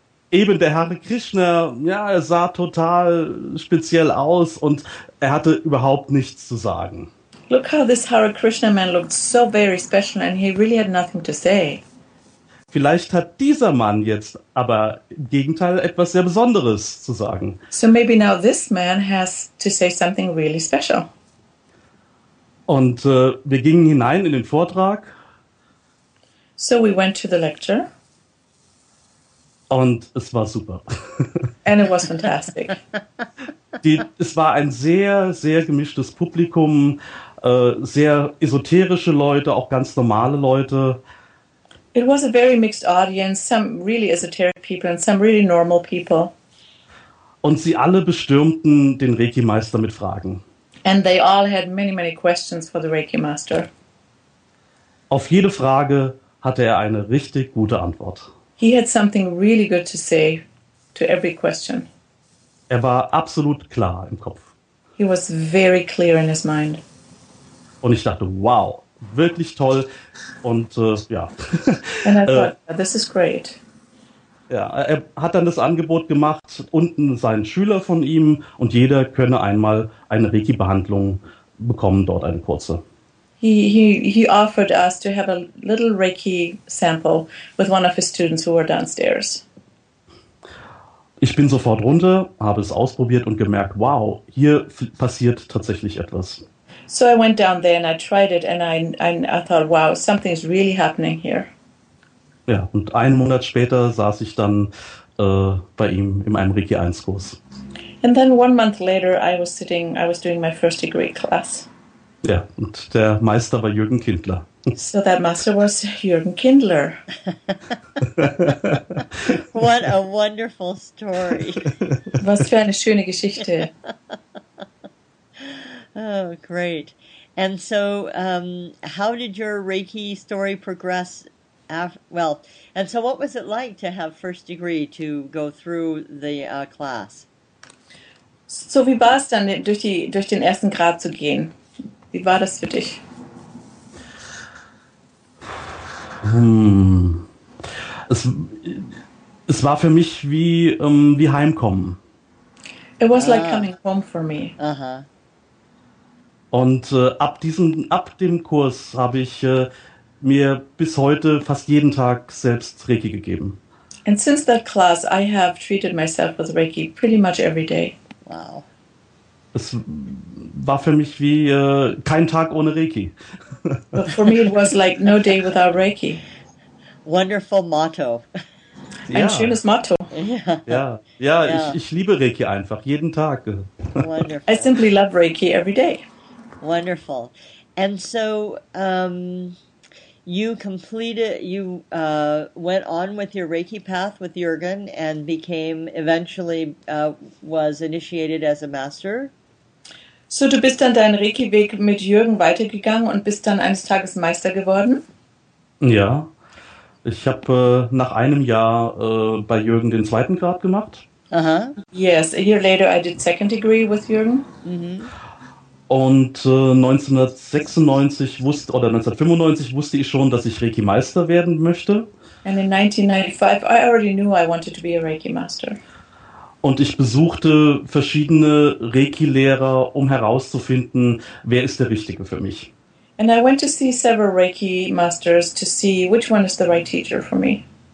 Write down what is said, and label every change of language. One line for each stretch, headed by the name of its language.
German: Der Hare Krishna, ja, er sah total speziell aus und er hatte überhaupt nichts zu sagen.
English: Look how this Hare Krishna man looked so very special and he really had nothing to say.
German: Vielleicht hat dieser Mann jetzt aber im Gegenteil etwas sehr Besonderes zu sagen.
English: So maybe now this man has to say something really special.
German: Und wir gingen hinein in den Vortrag.
English: So we went to the lecture.
German: Und es war super.
English: And it was fantastic.
German: Es war ein sehr, sehr gemischtes Publikum, sehr esoterische Leute, auch ganz normale Leute.
English: It was a very mixed audience, some really esoteric people and some really normal people.
German: Und sie alle bestürmten den Reiki-Meister mit Fragen.
English: And they all had many, many questions for the Reiki-Master.
German: Auf jede Frage hatte er eine richtig gute Antwort.
English: He had something really good to say to every question.
German: Er war absolut klar im Kopf.
English: He was very clear in his mind.
German: Und ich dachte, wow, wirklich toll. Und ja.
English: And I thought, this is great.
German: Ja, er hat dann das Angebot gemacht, unten seinen Schüler von ihm, und jeder könne einmal eine Reiki-Behandlung bekommen, dort eine kurze.
English: He offered us to have a little Reiki sample with one of his students who were downstairs.
German: Ich bin sofort runter, habe es ausprobiert und gemerkt, wow, hier passiert tatsächlich etwas.
English: So I went down there and I tried it and I thought, wow, something is really happening here.
German: Ja, und einen Monat später saß ich dann bei ihm in einem Reiki 1 Kurs.
English: And then one month later I was doing my first degree class.
German: Ja, und der Meister war Jürgen Kindler.
English: So that master was Jürgen Kindler. What a wonderful story.
German: Was für eine schöne Geschichte.
English: Oh, great. And so how did your Reiki story progress? And so what was it like to have first degree, to go through the class?
German: So wie war es dann, durch den ersten Grad zu gehen? Wie war das für dich? Es war für mich wie wie heimkommen.
English: It was like coming home for me. Uh-huh.
German: Und ab dem Kurs habe ich mir bis heute fast jeden Tag selbst Reiki gegeben.
English: And since that class, I have treated myself with Reiki pretty much every day. Wow.
German: Es war für mich wie kein Tag ohne Reiki.
English: But for me it was like no day without Reiki. Wonderful motto.
German: Ja. Ein schönes Motto. Ja, ich liebe Reiki einfach, jeden Tag.
English: Wonderful. I simply love Reiki every day. Wonderful. And so you went on with your Reiki path with Jürgen and became eventually was initiated as a master.
German: So du bist dann deinen Reiki-Weg mit Jürgen weitergegangen und bist dann eines Tages Meister geworden? Ja, ich habe nach einem Jahr bei Jürgen den zweiten Grad gemacht. Uh-huh.
English: Yes, a year later I did second degree with Jürgen. Mm-hmm.
German: Und 1995 wusste ich schon, dass ich Reiki-Meister werden möchte.
English: And in 1995 I already knew I wanted to be a Reiki-Master.
German: Und ich besuchte verschiedene Reiki-Lehrer, um herauszufinden, wer ist der Richtige für mich.
English: And I went to see several Reiki masters to see which one is the right teacher for me.